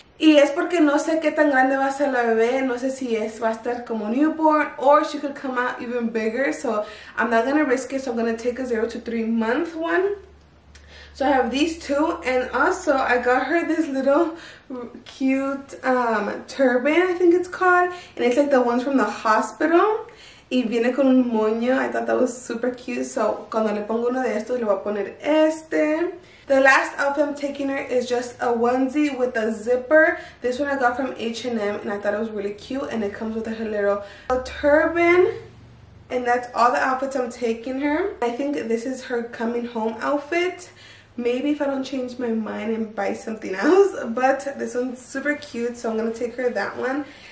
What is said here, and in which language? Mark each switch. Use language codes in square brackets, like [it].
[es] Y es porque no sé qué tan grande va a ser la bebé. No sé si va a estar como [en] newborn or she could come out even bigger. So, I'm not going to risk it. So, I'm going to take a 0 to 3 month one. So, I have these two. And also, I got her this little cute turban, I think it's called. And it's like the ones from the hospital. [es] Y viene con un moño. [en] I thought that was super cute. [es] So, cuando le pongo uno de estos, le voy a poner este. [en] The last outfit I'm taking her is just a onesie with a zipper. This one I got from H&M and I thought it was really cute. And it comes with a little turban. And that's all the outfits I'm taking her. I think this is her coming home outfit. Maybe if I don't change my mind and buy something else. But this one's super cute, so I'm going to take her that one.